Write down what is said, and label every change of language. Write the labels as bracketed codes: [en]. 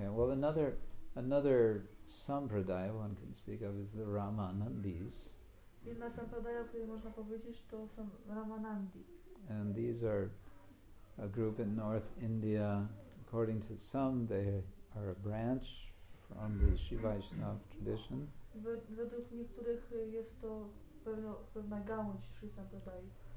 [en] Another sampradaya one can speak of is the Ramanandis. [pl] Jedna sampradaya, o której można powiedzieć, to są Ramanandi. [en] And these are a group in North India. According to some, they are a branch from the Shivaishnav tradition. [pl] Według niektórych jest to pewna gałąź Shri Sampradaya.